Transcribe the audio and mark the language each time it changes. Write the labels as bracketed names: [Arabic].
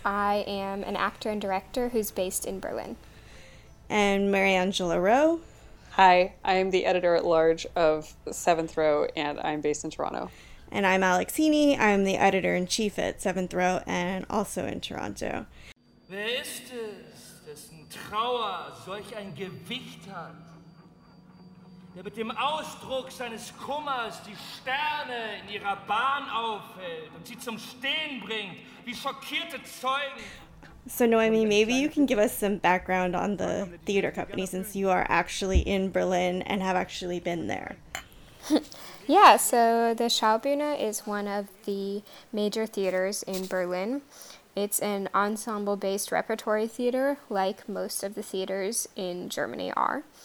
[English] I am an actor and director who's based in Berlin. And Mariangela Rowe. Hi, I am the editor-at-large of Seventh Row, and I'm based in Toronto. And I'm Alex Heaney. I'm the editor-in-chief at Seventh Row and also in Toronto. [German] Wer ist es, dessen Trauer solch ein Gewicht hat, der mit dem Ausdruck seines Kummers die Sterne in ihrer Bahn aufhält und sie zum Stehen bringt, wie schockierte Zeugen? [English] So, Noemi, maybe you can give us some background on the theater company since you are actually in Berlin and have actually been there. Yeah, so the Schaubühne is one of the major theaters in Berlin. It's an ensemble-based repertory theater, like most of the theaters in Germany are.